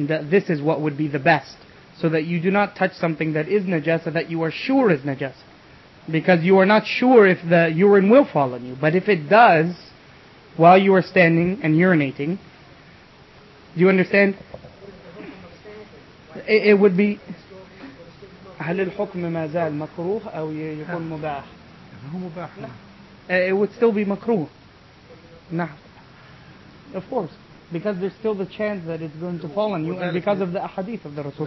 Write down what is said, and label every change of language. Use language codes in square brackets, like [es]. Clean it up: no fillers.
[en] This is what would be the best, so that you do not touch something that is najasa that you are sure is najasa, because you are not sure if the urine will fall on you. But if it does, while you are standing and urinating, do you understand? It would be [ar] هل الحكم ما زال مكروه أو يكون مباح؟ هو مباح. [en] It would still be مكروه. [ar] نعم. [en] Of course, because there's still the chance that it's going to fall on you, and because of the ahadith of the Rasul.